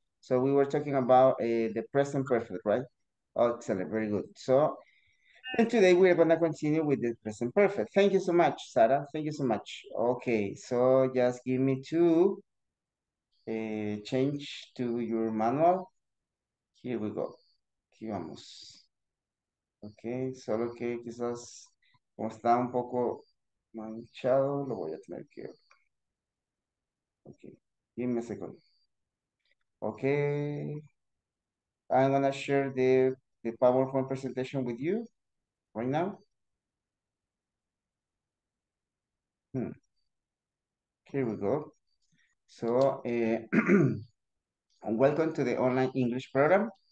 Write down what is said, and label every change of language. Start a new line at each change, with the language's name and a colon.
English: So we were talking about the present perfect, right? Oh, excellent, very good. So, and today we're going to continue with the present perfect. Thank you so much, Sara. Thank you so much. Okay, so just give me two change to your manual. Here we go.
Spanish: Aquí vamos. Ok, solo que quizás como está un poco manchado, lo voy a tener que. Ok, dime segundo.
English: Ok, I'm gonna share the PowerPoint presentation with you right now. Here we go. So, welcome to the online English program.